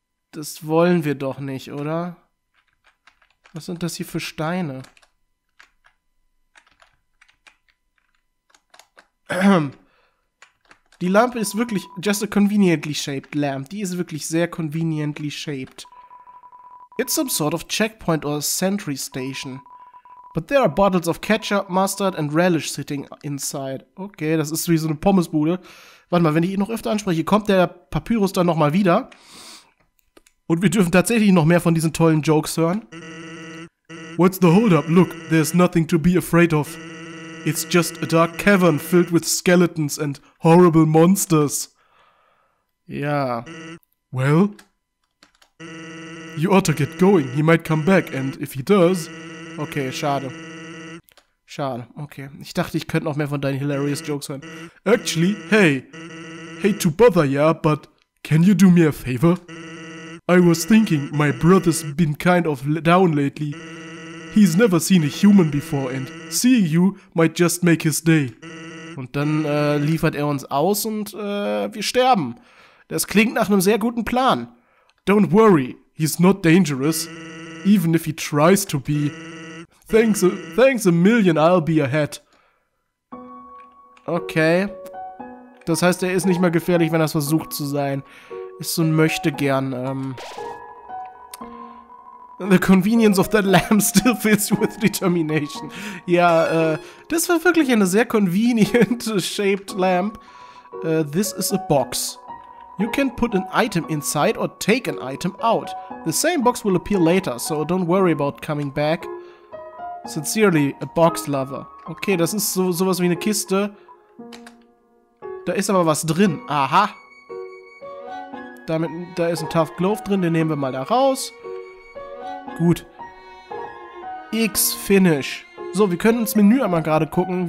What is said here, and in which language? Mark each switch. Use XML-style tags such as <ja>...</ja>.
<de>Das wollen wir doch nicht, oder? Was sind das hier für Steine? Die Lampe ist wirklich</de> <en>just a conveniently shaped lamp.</en> <de>Die ist wirklich sehr</de> <en>conveniently shaped. It's some sort of checkpoint or sentry station. But there are bottles of ketchup, mustard and relish sitting inside.</en> <de>Okay, das ist wie so eine Pommesbude. Warte mal, wenn ich ihn noch öfter anspreche, kommt der Papyrus dann nochmal wieder. Und wir dürfen tatsächlich noch mehr von diesen tollen Jokes hören.</de> <en>What's the holdup? Look, there's nothing to be afraid of. It's just a dark cavern filled with skeletons and horrible monsters.</en> <de>Ja.</de> <en>Well? You ought to get going. He might come back. And if he does...</en> <de>Okay, schade. Schade, okay. Ich dachte, ich könnte noch mehr von deinen</de> <en>hilarious</en> <de>Jokes hören.</de> <en>Actually, hey. Hate to bother, yeah, but can you do me a favor? I was thinking my brother's been kind of down lately. He's never seen a human before and seeing you might just make his day.</en> <de>Und dann liefert er uns aus und wir sterben. Das klingt nach einem sehr guten Plan.</de> <en>Don't worry, he's not dangerous, even if he tries to be. Thanks a million, I'll be ahead. Okay,</en> <de>Das heißt, er ist nicht mehr gefährlich, wenn er es versucht zu sein. Ist so ein Möchtegern.</de> <en>The convenience of that lamb still fills you with determination.</en> <de>Ja, das war wirklich eine sehr</de> <en>convenient shaped lamp. This is a box. You can put an item inside or take an item out. The same box will appear later, so don't worry about coming back. Sincerely, a box lover.</en> <de>Okay, das ist so, sowas wie eine Kiste. Da ist aber was drin. Aha. Damit, da ist ein Tough Glove drin, den nehmen wir mal da raus. Gut. X Finish. So, wir können ins Menü einmal gerade gucken.</de>